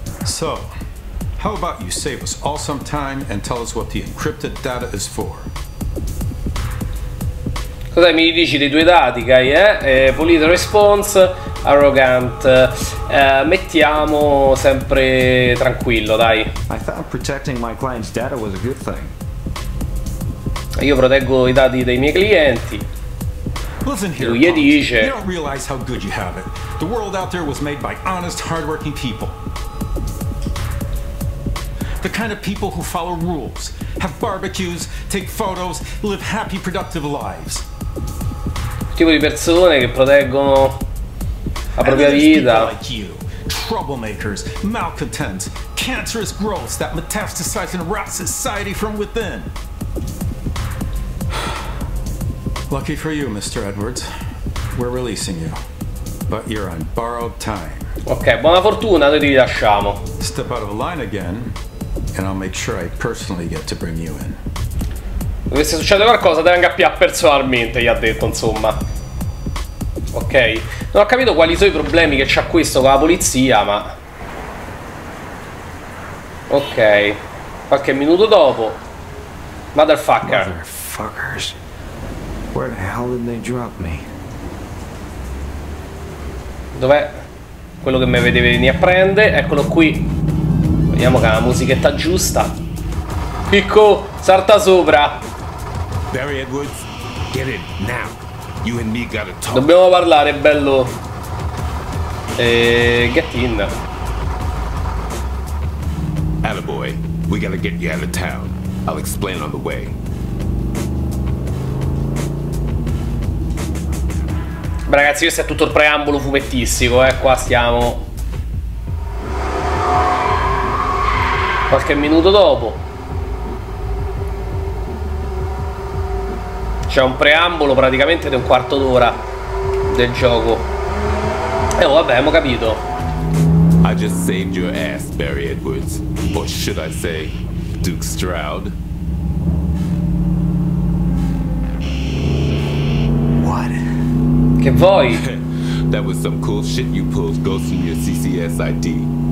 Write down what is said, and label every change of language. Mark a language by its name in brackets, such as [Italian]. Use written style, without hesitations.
[English] So, how about you save us all some time and tell us what the encrypted data is for? [Italian] Cos'è, mi dici dei tuoi dati, Kai, [English] Polite response, arrogant. [Italian] Mettiamo sempre tranquillo, dai. [English] I thought protecting my client's data was a good thing. [Italian] Io proteggo i dati dei miei clienti. [English] Listen here, [Italian] lui gli dice, [English] you don't realize how good you have it. The world out there was made by honest, hardworking people. The kind of people who follow rules, have barbecues, take photos, live happy, productive lives. [Italian] Tipo di persone che proteggono la propria vita. [English] Like you, troublemakers, malcontents, cancerous growths that metastasize and rot society from within. Lucky for you, Mr. Edwards, we're releasing you, but you're on borrowed time. [Italian] Ok, buona fortuna, noi ti rilasciamo. [English] Step out of line again, and I'll make sure I personally get to bring you in. [Italian] Se succede qualcosa, te venga più personalmente, gli ha detto, insomma. Ok, non ho capito quali sono i problemi che c'ha questo con la polizia, ma... Ok, qualche minuto dopo... [English] Motherfucker. Motherfuckers. Where the hell did they drop me? [Italian] Dov'è quello che mi vede venire a prendere? Eccolo qui. Vediamo che ha la musichetta giusta. Picco, salta sopra. [English] Barry Edwards, get in now. You and me gotta talk. [Italian] Dobbiamo parlare, bello. [English] Get in. Attaboy, we gotta get you out of town. I'll explain on the way. [Italian] Beh, ragazzi, questo è tutto il preambolo fumettistico, qua stiamo. Qualche minuto dopo. C'è un preambolo praticamente di un quarto d'ora del gioco. E vabbè, abbiamo capito. [English] I just saved your ass, Barry Edwards. Or should I say, Duke Stroud? [Italian] Che vuoi? [English] That was some cool shit you pulled, ghosting your CCS ID.